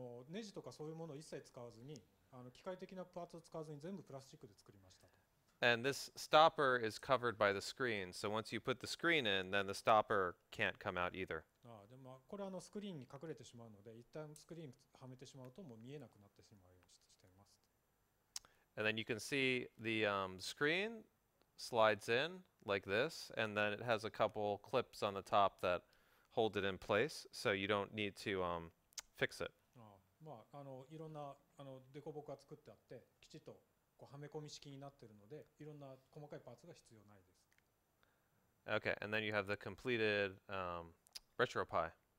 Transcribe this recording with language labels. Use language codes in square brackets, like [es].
[ja] ネジとかそういうものを一切使わずに、機械的なパーツを使わずに全部プラスチックで作りました。 [en] And this stopper is covered by the screen, so once you put the screen in, then the stopper can't come out either. [ja] でもこれはスクリーンに隠れてしまうので、一旦スクリーンはめてしまうともう見えなくなってしまうようにしています。 [en] And then you can see the screen slides in like this, and then it has a couple clips on the top that hold it in place, so you don't need to fix it. [ja] いろんなデコボコが作ってあって、きちっとはめ込み式になってるので、いろんな細かいパーツが必要ないです。 [en] Okay, and then you have the completed RetroPi.